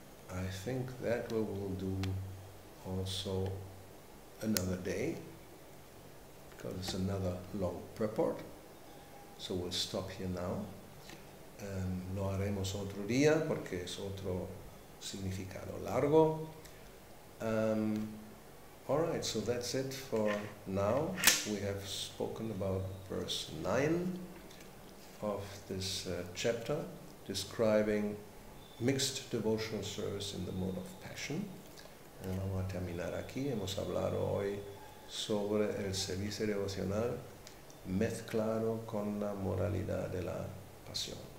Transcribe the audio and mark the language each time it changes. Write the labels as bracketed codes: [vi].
[en] I think that we will do also another day, because it's another long purport. So we'll stop here now. [es] Lo haremos otro día porque es otro significado largo. [en] Alright, so that's it for now. We have spoken about verse 9 of this chapter, describing mixed devotional service in the mode of passion. [es] Vamos a terminar aquí. Hemos hablado hoy sobre el servicio devocional mezclado con la moralidad de la pasión.